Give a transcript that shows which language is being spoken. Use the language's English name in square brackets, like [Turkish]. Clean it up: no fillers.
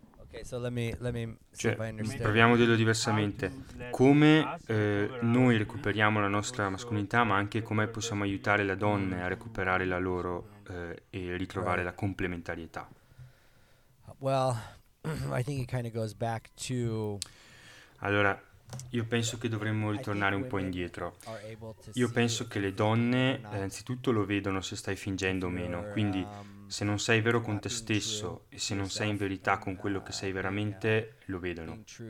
[English] Okay, so let me [Italian] cioè, proviamo a dirlo diversamente. Come noi recuperiamo la nostra mascolinità, ma anche come possiamo aiutare le donne a recuperare la loro e ritrovare la complementarietà? [English] Well, I think it kind of goes back to... [Italian] Allora, io penso che dovremmo ritornare un po' indietro. Io penso che le donne, innanzitutto, lo vedono se stai fingendo o meno. Quindi, se non sei vero con te stesso e se non sei in verità con quello che sei veramente, lo vedono.